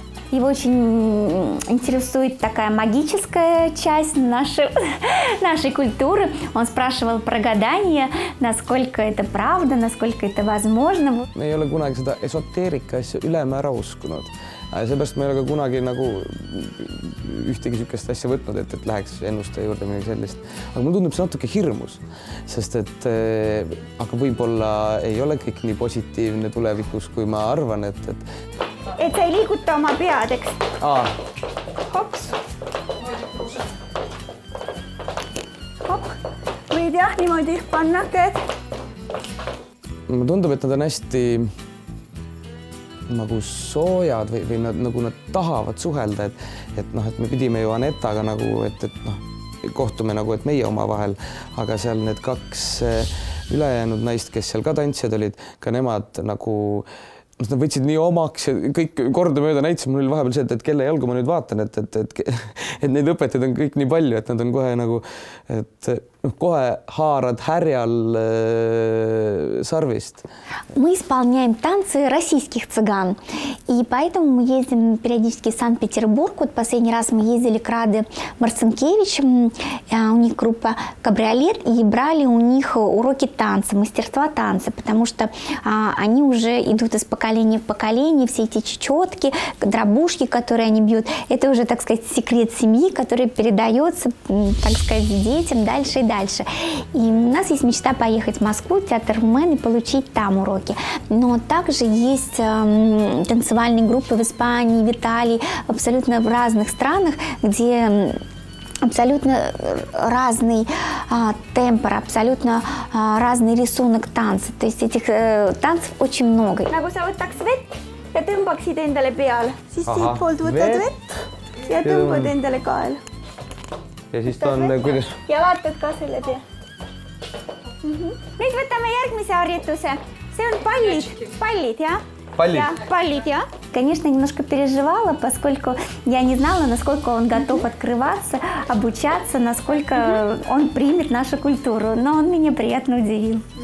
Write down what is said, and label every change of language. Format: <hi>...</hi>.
<ru>Его очень интересует такая магическая часть нашей культуры. Он спрашивал про гадания, насколько это правда, насколько это возможно. Мы не были никогда эзотерикой,</ru> <et>ülemäära uskunud. А seepärast ma ei ole ka kunagi nagu ühtegi sellist asja võtnud, et läheks ennuste juurde midagi sellist. Aga mul tundub see natuke hirmus, sest et aga võib-olla ei ole kõik nii positiivne tulevikus, kui ma arvan, et sa ei liiguta oma pead, eks? Aa. Hops. Hop. Võid jah niimoodi panna käed. Ma tundub, et nad on hästi nagu soojad või nad tahavad suhelda, et me pidime ju Anettaga nagu, et kohtume nagu, et meie oma vahel, aga seal need kaks ülejäänud naist, kes seal ka tantsijad olid, ka nemad nagu, nad võtsid nii omaks ja kõik korda mööda näitsid mul vahepeal see, et kelle jalgu ma nüüd vaatan, et need õpetajad on kõik nii palju, et nad on kohe nagu, et kohe haarad härjal sarvist.</et> <ru>Мы исполняем танцы российских цыган. И поэтому мы ездим периодически в Санкт-Петербург. Вот последний раз мы ездили к Раде Марцинкевичу. У них группа «Кабриолет». И брали у них уроки танца, мастерства танца. Потому что они уже идут из поколения в поколение. Все эти чечетки, дробушки, которые они бьют. Это уже, так сказать, секрет семьи, который передается, так сказать, детям дальше и дальше. И у нас есть мечта поехать в Москву, в театр «Мэн» и получить там уроки. Но также есть танцевальные группы в Испании, в Италии, абсолютно в разных странах, где абсолютно разный темпор, абсолютно разный рисунок танца. То есть этих танцев очень много.</ru> <et>Nagu sa võtad svet ja tõmbaksid endale peal. Siis siit poolt võtad vett ja tõmbad endale kael. Ja siis ta on kuidas? Ja vaatad ka selle pea. Nüüd võtame järgmise harjutuse. See on pallid. Pallid, jah? Pallid? Pallid, jah.</et> <ru>Конечно, немножко переживала, поскольку я не знала, насколько он готов открываться, обучаться, насколько он примет нашу культуру. Но он меня приятно удивил.</ru>